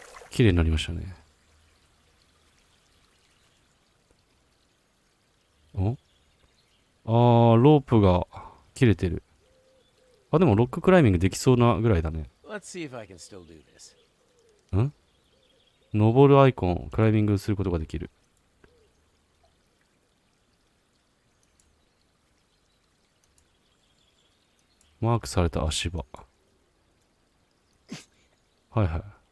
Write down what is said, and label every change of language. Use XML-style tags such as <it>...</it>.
<ja>綺麗になりましたね。お？あー、ロープが切れてる。あ、でもロッククライミングできそうなぐらいだね。</ja> <en>Let's see if I can still do this. ん？</en> <ja>登るアイコン、クライミングすることができる。マークされた足場。はいはい。</ja>